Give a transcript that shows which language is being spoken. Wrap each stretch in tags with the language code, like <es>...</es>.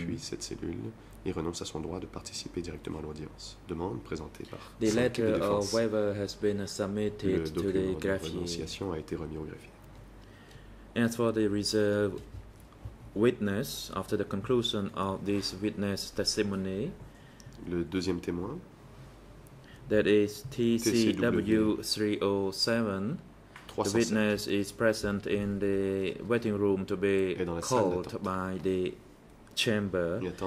<fr>Depuis cette cellule, il renonce à son droit de participer directement à l'audience. Demande présentée par</fr> <en>the letter of waiver has been submitted to the greffier.</en> <fr>Le document de renonciation a été remis au greffier.</fr> <en>As for the reserve witness, after the conclusion of this witness testimony,</en> <fr>le deuxième témoin,</fr> <en>that is TCW 307, the witness is present in the waiting room to be called by the chamber.</en>